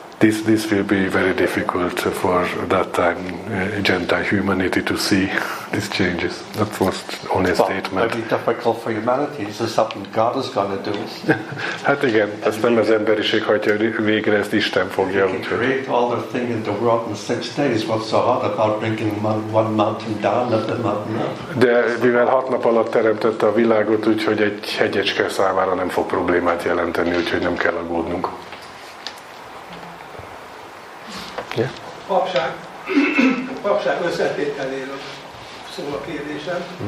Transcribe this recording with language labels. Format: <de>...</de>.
<en>This will be very difficult for that time Gentile humanity to see these changes. That was only a statement. But it's difficult for humanity. This is something God is going to do.</en> <hu>Hát igen, ezt nem az emberiség hagyja végre, ezt Isten fogja.</hu> <en>He can create all the thing in the world in six days. What's so hard about bringing one mountain down and the mountain up?</en> <hu>De mivel hat nap alatt teremtette a világot, úgyhogy egy hegyecske számára nem fog problémát jelenteni, úgyhogy nem kell aggódnunk.</hu> <en>Yeah.</en> <hu>A papság összetételéről szól a kérdésem.</hu>